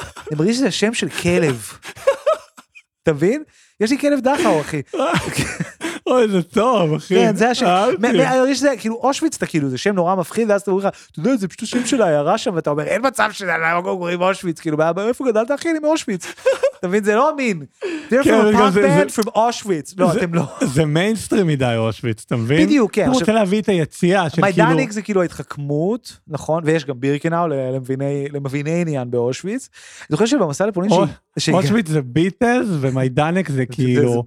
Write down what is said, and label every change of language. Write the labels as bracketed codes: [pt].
[he] אני מרגיש שזה השם של כלב. תבין? יש לי כלב דחאו, אחי. אוי, זה טוב, אחי. כן, זה השם. אני מרגיש שזה, כאילו, אושוויץ אתה כאילו, זה שם נורא מפחיד, ואז אתה אומר לך, אתה יודע, זה פשוט שם של העיירה שם, ואתה אומר, אין מצב שזה, אני לא קוראים אושוויץ, כאילו, איפה גדלת, אחי, אני מאושוויץ. תבין, זה לא אמין. [en] They're from a punk band from Auschwitz. [he] לא, אתם לא. זה מיינסטרים מדי, אושוויץ, אתה מבין? בדיוק, כן. הוא רוצה להביא את היציאה של כאילו... מיידניק זה כאילו ההתחכמות, נכון? ויש גם בירקנאו למביני עניין באושוויץ. אני זוכר שבמסע לפולין שהיא... אושוויץ זה ביטלס, ומיידניק זה כאילו...